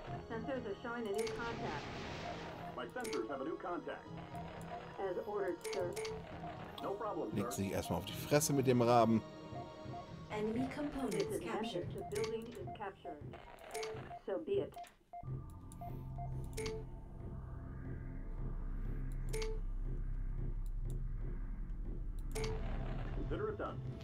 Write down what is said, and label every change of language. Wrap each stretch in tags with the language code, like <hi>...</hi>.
<en>Sensors are showing a new contact. My sensors have a new contact. As ordered, sir. No problem, sir.</en> <de>Legt sich erstmal auf die Fresse mit dem Raben.</de> <en>Enemy components captured. The building is captured. So be it. Consider it done.</en>